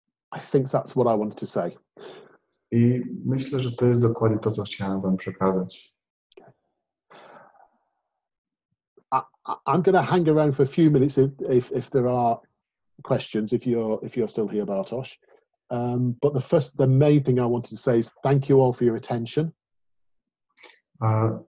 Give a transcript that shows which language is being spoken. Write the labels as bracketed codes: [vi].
[en] I think that's what I wanted to say. [pl] I myślę, że to jest dokładnie to, co chciałem wam przekazać. [en] Okay. I'm going to hang around for a few minutes if there are questions, if you're still here, Bartosz. But the main thing I wanted to say is thank you all for your attention.